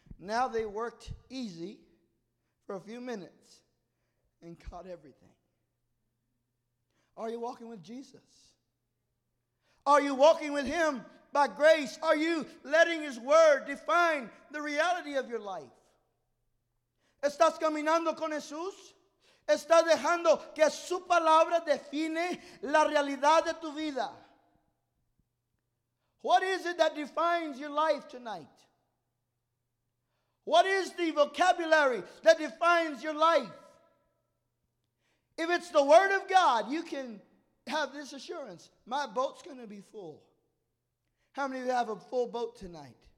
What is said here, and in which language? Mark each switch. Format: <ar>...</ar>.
<en>Now they worked easy for a few minutes and caught everything. Are you walking with Jesus? Are you walking with Him by grace? Are you letting His word define the reality of your life?</en> <es>¿Estás caminando con Jesús? ¿Estás dejando que su palabra define la realidad de tu vida?</es> <en>What is it that defines your life tonight? What is the vocabulary that defines your life? If it's the Word of God, you can have this assurance. My boat's going to be full. How many of you have a full boat tonight?</en>